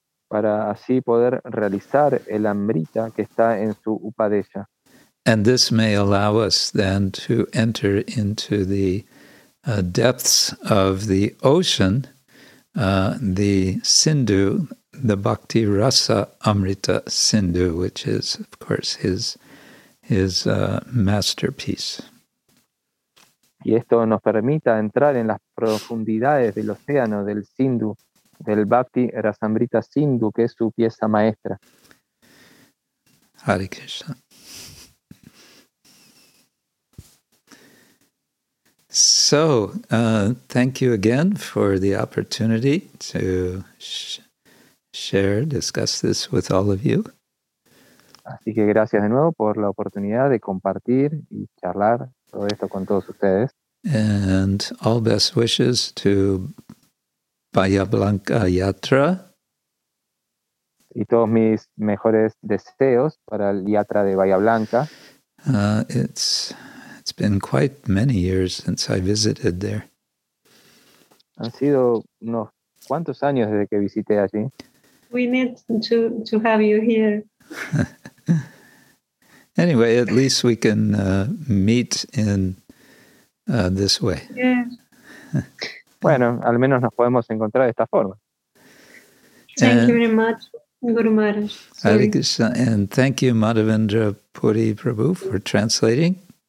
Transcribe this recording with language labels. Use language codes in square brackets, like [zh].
[es] Para así poder realizar el Amrita que está en su Upadesha. [en] And this may allow us then to enter into the depths of the ocean, the Sindhu, the Bhakti Rasa Amrita Sindhu, which is, of course, his masterpiece. [es] Y esto nos permita entrar en las profundidades del océano del Sindhu, del Bhakti Rasamrita Sindhu, que es su pieza maestra. [en] Hare Krishna. So, thank you again for the opportunity to share, discuss this with all of you. [es] Así que gracias de nuevo por la oportunidad de compartir y charlar todo esto con todos ustedes. [en] And all best wishes to Bahía Blanca Yatra. [es] Y todos mis mejores deseos para el Yatra de Bahía Blanca. [en] It's been quite many years since I visited there. [es] Han sido unos cuantos años desde que visité allí. [en] We need to have you here. Anyway, at least we can meet in this way. Yeah. [es] Bueno, al menos nos podemos encontrar de esta forma. [en] Thank you very much, Guru Maharaj. And thank you, Madhavendra Puri Prabhu, for translating.